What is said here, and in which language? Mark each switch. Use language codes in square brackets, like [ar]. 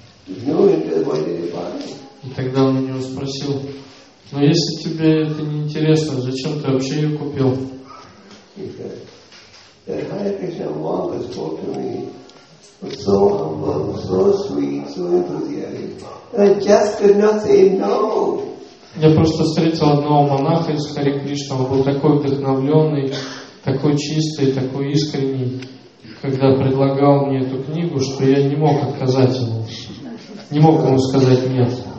[ru] И тогда он у него спросил, но если тебе это не интересно, зачем ты вообще ее купил? Хари Кришна [en] monk has talked to me was so humble, so sweet, so enthusiastic. I just could not say no. [ru] Я просто встретил одного монаха из Харе Кришна, он был такой вдохновленный, такой чистый, такой искренний, когда предлагал мне эту книгу, что я не мог отказать ему, не мог ему сказать нет.